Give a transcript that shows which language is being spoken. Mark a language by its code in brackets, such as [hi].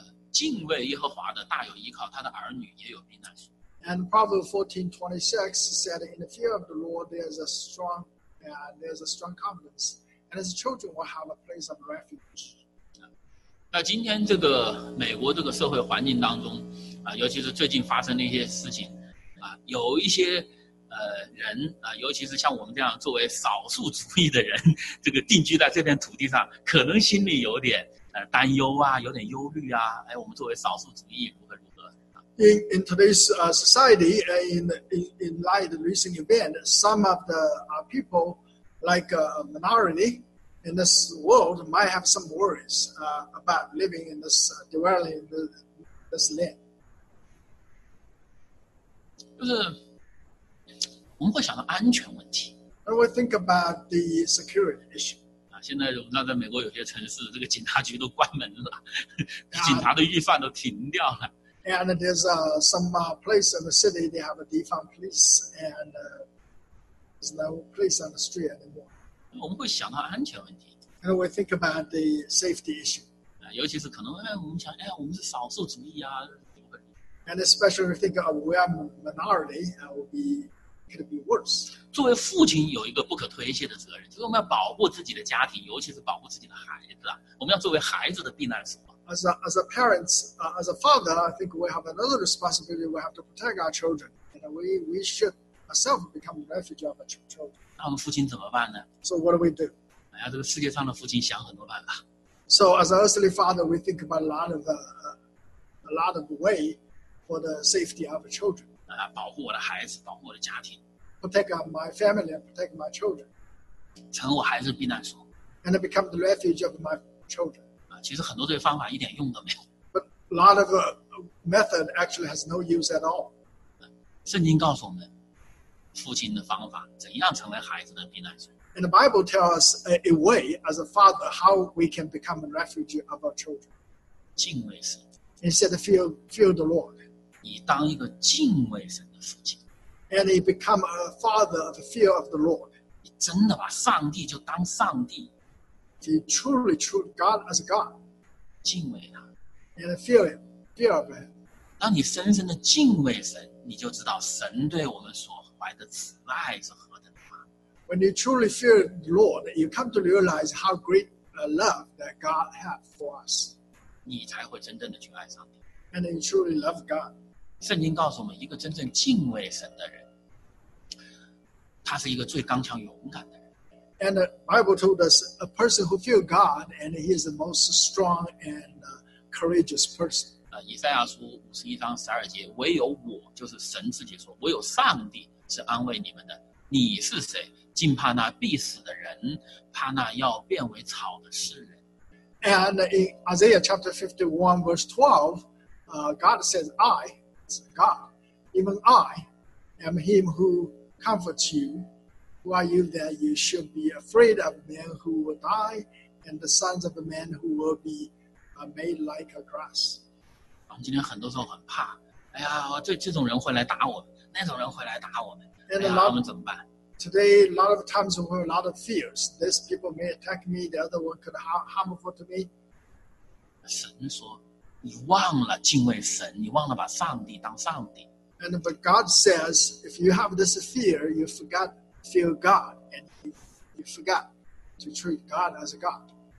[zh] 敬畏耶和华的大有依靠，他的儿女也有避难所。 [en] And Proverbs 14:26 said, in the fear of the Lord, there's a strong,and there's a strong confidence, and his children will have a place of refuge. [zh] 那今天这个美国这个社会环境当中，尤其是最近发生的一些事情，有一些人尤其是像我们这样作为少数族裔的人，这个定居在这片土地上，可能心里有点担忧啊，有点忧虑啊。哎，我们作为少数族裔如何如何？ [en] In today's society, in light of recent event, some of the people, like a minority in this world, might have some worries about living in this dwelling in this land. [zh] 就是我们会想到安全问题。 [en] And we think about the security issue. [zh] 现在我们知道，在美国有些城市，这个警察局都关门了，警察的预算都停掉了。 [en] And there's some place in the city they have a defund police, and there's no police on the street anymore. [zh] 我们会想到安全问题。 [en] And we think about the safety issue. [zh] 尤其是可能，哎，我们想，哎，我们是少数族裔啊，怎么会？ [en] And especially think of we are minority, it will be could be worse. [zh] 作为父亲有一个不可推卸的责任，就是我们要保护自己的家庭，尤其是保护自己的孩子啊。我们要作为孩子的避难所。 [en] As a parents, as a father, I think we have another responsibility. We have to protect our children, and we should ourselves become a refuge of our children. [zh] 那我们父亲怎么办呢？ [en] So what do we do? [zh] 哎呀，这个世界上的父亲想很多办法。 [en] So as an earthly father, we think about a lot of way for the safety of our children. [zh] 保护我的孩子，保护我的家庭。 [en] Protect my family and protect my children. [zh] 成我孩子避难所。 [en] And become the refuge of my children. [zh] 其实很多这些方法一点用都没有。 [en] But lot of method actually has no use at all. [zh] 圣经告诉我们，父亲的方法怎样成为孩子的避难所。 [en] And the Bible tells us a way as a father how we can become a refuge of our children. [zh] 敬畏神。 [en] Instead, fear the Lord. [zh] 你当一个敬畏神的父亲。 [en] And he become a father of the fear of the Lord. [zh] 你真的把上帝就当上帝。 [en] He truly treat God as a God. [zh] 敬畏他。 [en] And fear him, fear of him. [zh] 当你深深的敬畏神，你就知道神对我们所怀的慈爱是何等大。 [en] When you truly fear the Lord, you come to realize how great a love that God has for us. [zh] 你才会真正的去爱上帝。 [en] And you truly love God. [zh] 圣经告诉我们，一个真正敬畏神的人，他是一个最刚强勇敢的人。 [en] And the Bible told us a person who fears God and he is the most strong and courageous person. [zh] 以赛亚书51:12，唯有我，就是神自己说，唯有上帝是安慰你们的。你是谁？竟怕那必死的人，怕那要变为草的世人。 [en] And in Isaiah chapter 51 verse 12, God says, I, God, even I am him who comforts you. Who are you that you should be afraid of men who will die and the sons of the men who will be made like a grass? [zh] 我们今天很多时候很怕，哎呀，这种人会来打我们，那种人会来打我们，哎呀，我们怎么办？ [en] Today, a lot of times we have a lot of fears. This people may attack me, the other one could harmful to me. [zh] 神说，你忘了敬畏神，你忘了把上帝当上帝。 [en] And but God says, if you have this fear, you forgot fear God, and you forgot to treat God as a God.